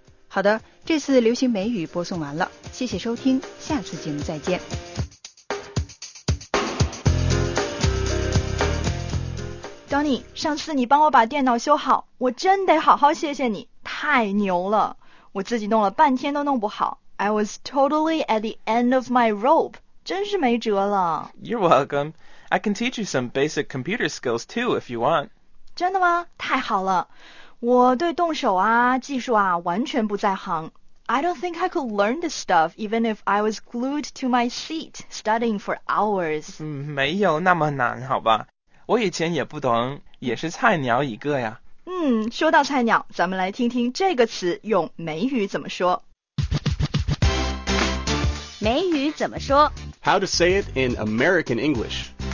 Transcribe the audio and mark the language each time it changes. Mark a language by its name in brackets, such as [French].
[Chinese] 好的，这次流行美语播送完了，谢谢收听，下次节目再见。 Donny， 上次你帮我把电脑修好，我真得好好谢谢你，太牛了，我自己弄了半天都弄不好。 [English] I was totally at the end of my rope， [Chinese] 真是没辙了。 [English] You're welcome. I can teach you some basic computer skills, too, if you want. [Chinese] 真的吗？太好了。我对动手啊，技术啊，完全不在行。 [English] I don't think I could learn this stuff even if I was glued to my seat, studying for hours. [Chinese] 没有那么难，好吧。我以前也不懂，也是菜鸟一个呀。说到菜鸟，咱们来听听这个词用美语怎么说。美语怎么说？ [English] How to say it in American English.